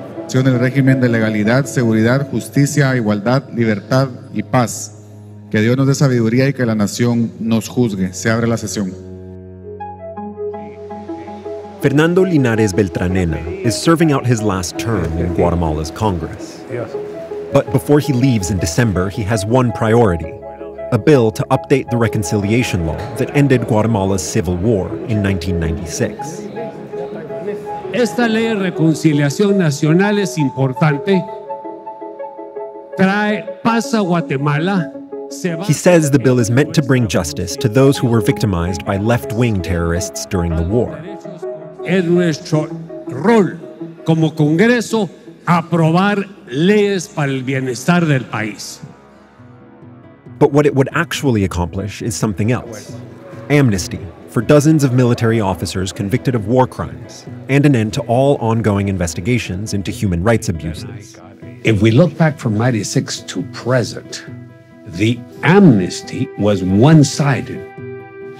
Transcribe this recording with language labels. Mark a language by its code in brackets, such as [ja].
[es] acción del régimen de legalidad, seguridad, justicia, igualdad, libertad y paz. Que Dios nos dé sabiduría y que la nación nos juzgue. Se abre la sesión. [en] Fernando Linares Beltranena is serving out his last term in Guatemala's Congress. But before he leaves in December, he has one priority: a bill to update the reconciliation law that ended Guatemala's civil war in 1996. [es] Esta ley de reconciliación nacional es importante. Trae paz a Guatemala. [en] He says the bill is meant to bring justice to those who were victimized by left-wing terrorists during the war. [es] Es nuestro rol como Congreso aprobar leyes para el bienestar del país. [en] But what it would actually accomplish is something else: amnesty for dozens of military officers convicted of war crimes, and an end to all ongoing investigations into human rights abuses. If we look back from 96 to present, the amnesty was one-sided.